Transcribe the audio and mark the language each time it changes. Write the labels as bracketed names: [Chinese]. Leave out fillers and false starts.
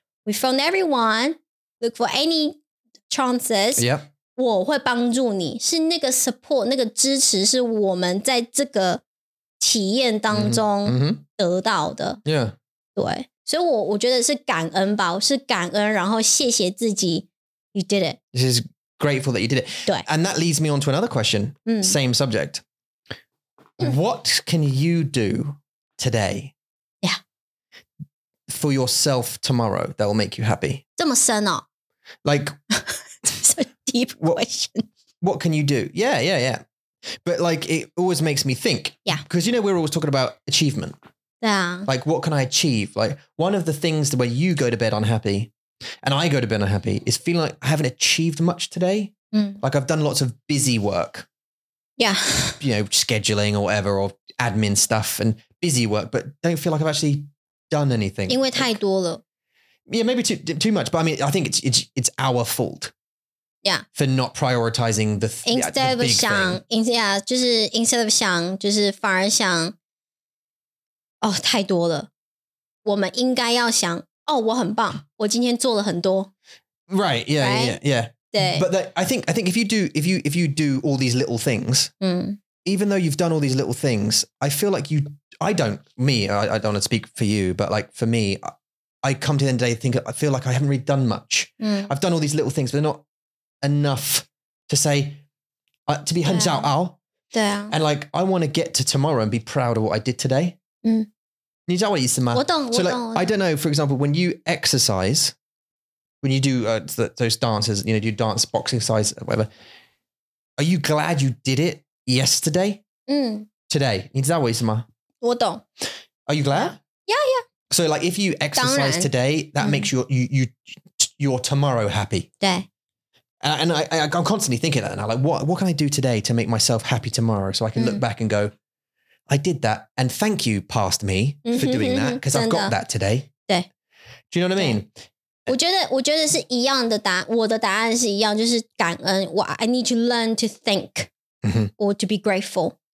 [English] We phone everyone. Look for any chances. Yep. [Chinese] 我会帮助你。是那个 support, 那个支持是我们在这个体验当中得到的。 [English] Mm-hmm. Yeah. [Chinese] 对。所以我觉得是感恩吧，是感恩，然后谢谢自己。 [English] You did it. This is grateful that you did it. [Chinese] 对。 [English] And that leads me on to another question. Same subject. What can you do today? Yeah. For yourself tomorrow that will make you happy? [Chinese] 这么深哦。 [English] Like. It's a deep question. What can you do? Yeah, yeah, yeah. But like, it always makes me think. Yeah. Because you know, we're always talking about achievement. Yeah. Like, what can I achieve? Like, one of the things that where you go to bed unhappy and I go to bed unhappy is feeling like I haven't achieved much today. Mm. Like, I've done lots of busy work. Yeah. You know, scheduling or whatever, or admin stuff and busy work, but don't feel like I've actually done anything. [Chinese] 因为太多了。 [English] Like, yeah, maybe too much, but I mean, I think it's our fault. Yeah. For not prioritizing the, instead the big of 想, thing. [Chinese] In, yeah, 就是 [English] instead of [Chinese] 想, 就是反而想哦，太多了。我们应该要想哦，我很棒，我今天做了很多。 [English] Right, yeah, right? yeah, yeah. [Chinese] 对。 [English] But that, I think if you do all these little things, even though you've done all these little things, I feel like I don't want to speak for you, but like for me, I come to the end of the day thinking, I feel like I haven't really done much. I've done all these little things, but they're not enough to say, to be hunched out. Yeah. And like, I want to get to tomorrow and be proud of what I did today. [Chinese] 嗯，你知道我意思吗？我懂， [English] so like, [Chinese] 我懂。 [English] I don't know. For example, when you exercise, when you do those dances, you know, you dance, boxing, size, whatever. Are you glad you did it yesterday? [Chinese] 嗯。 [English] Today, [Chinese] 你知道我意思吗？我懂。 [English] Are you glad? Yeah, yeah. So like, if you exercise today, that makes your tomorrow happy. [Chinese] 对。 [English] And I'm constantly thinking that now. Like, what can I do today to make myself happy tomorrow, so I can look back and go, I did that, and thank you, past me, for doing that, because I've got that today. [Chinese] 对。 [English] Do you know what I mean? [Chinese] 我觉得是一样的答案，我的答案是一样，就是感恩。 [English] I need to learn to think, or to be grateful.